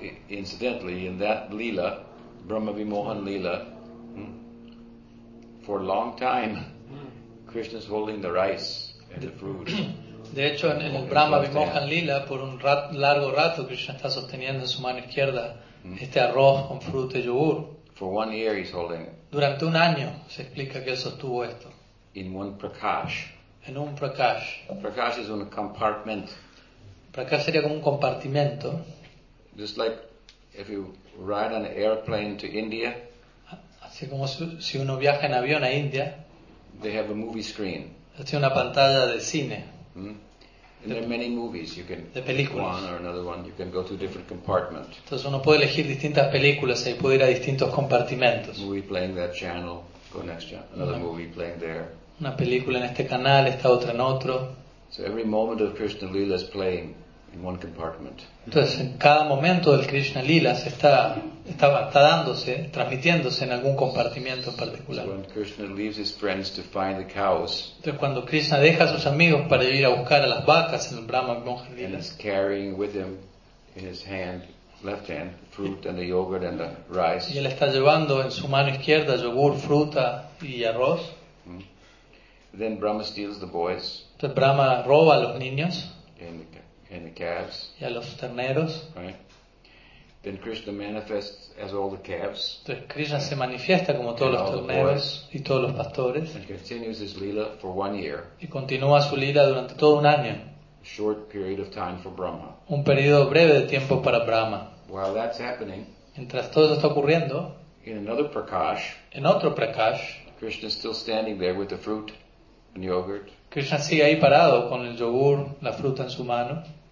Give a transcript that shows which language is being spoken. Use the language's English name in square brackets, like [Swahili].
[English] Incidentally, in that Leela, Brahma Vimohan Leela, for a long time, Krishna's holding the rice and the fruit. [Spanish] De hecho, en el Brahma Vimohan Leela, por un largo rato, Krishna está sosteniendo en su mano izquierda este arroz con fruta y yogur. [English] For 1 year, he's holding it. [Spanish] Durante un año, se explica que él sostuvo esto. [English] In one prakash. [Spanish] En un prakash. [English] Prakash is a compartment. [Spanish] Prakash sería como un compartimento. [English] Just like if you ride on an airplane to India, [Spanish] así como si uno viaja en avión a India, [English] they have a movie screen. [Spanish] Tiene una pantalla de cine. [English] And there are many movies. You can [Spanish] de películas. [English] One or another one. You can go to a different compartment. [Spanish] Entonces uno puede elegir distintas películas y puede ir a distintos compartimentos. [English] Movie playing that channel, go next channel. Another movie playing there. [Spanish] una película en este canal, esta otra en otro. [English] So every moment of Krishna Lila is playing in one compartment. [Spanish] Entonces, en cada momento del Krishna Lila se está dándose, transmitiéndose en algún compartimiento en particular. [English] So when Krishna leaves his friends to find the cows, [Spanish] entonces, cuando Krishna deja a sus amigos para ir a buscar a las vacas en el Brahma Monja Lila, [English] and he's carrying with him in his hand, left hand, fruit and the yogurt and the rice. [Spanish] Y él está llevando en su mano izquierda yogur, fruta y arroz. Mm-hmm. [English] Then Brahma steals the boys. [Spanish] Entonces Brahma roba a los niños. [English] And the calves. [Spanish] Y a los terneros. [English] Right. Then Krishna manifests as all the calves. [Spanish] Entonces Krishna se manifiesta como todos los terneros y todos los pastores. [English] And continues his lila for 1 year. [Spanish] Y continúa su lila durante todo un año. [English] Short period of time for Brahma. [Spanish] Un periodo breve de tiempo para Brahma. [English] While that's happening, [Spanish] mientras todo eso está ocurriendo, [English] in another prakash, [Spanish] en otro prakash, [English] Krishna is still standing there with the fruit and yogurt. [Spanish] Krishna sigue ahí parado con el yogur, la fruta en su mano,